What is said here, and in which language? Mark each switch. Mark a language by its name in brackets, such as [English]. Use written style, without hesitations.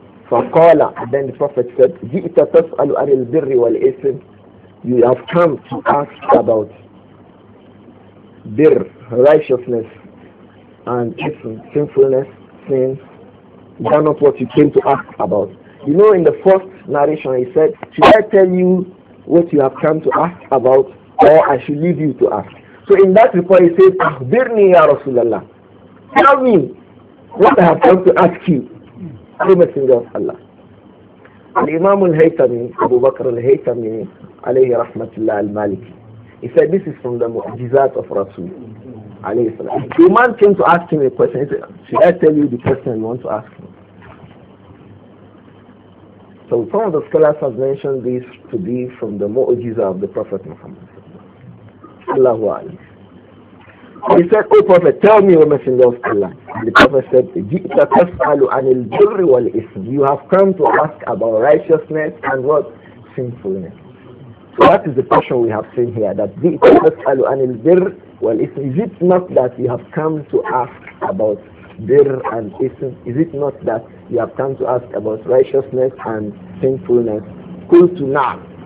[Arabic] فقال, [English] then the Prophet said, [Arabic] جِئْتَ تَسْأَلُ عَلِ الْبِرِّ وَالْإِسْمِ. [English] You have come to ask about birr, righteousness, and ism, sinfulness, sin. Is that not what you came to ask about? You know, in the first narration, he said, should I tell you what you have come to ask about, or I should leave you to ask? So in that report he says, [Arabic] Akhbirni ya Rasulallah, [English] tell me what I have come to ask you, the Messenger of Allah. And Imam al-Haytami, Abu Bakr al-Haytami [Arabic] alayhi rahmatullah al-Maliki, [English] he said this is from the mu'jizat of Rasul alayhi salam. The man came to ask him a question, he said, should I tell you the question you want to ask me? So some of the scholars have mentioned this to be from the mu'jiza of the Prophet Muhammad. Allahu alayhi. He said, O Prophet, tell me, O Messenger of Allah. And the Prophet said, [Arabic] جِئْتَ تَسْأَلُ عَنِ الْبِرِّ وَالْإِسْمِ. [English] You have come to ask about righteousness and what? Sinfulness. So that is the question we have seen here, that [Arabic] جِئْتَ تَسْأَلُ عَنِ الْبِرِّ وَالْإِسْمِ. [English] Is it not that you have come to ask about birr and ism? Is it not that you have come to ask about righteousness and sinfulness? Cool to now.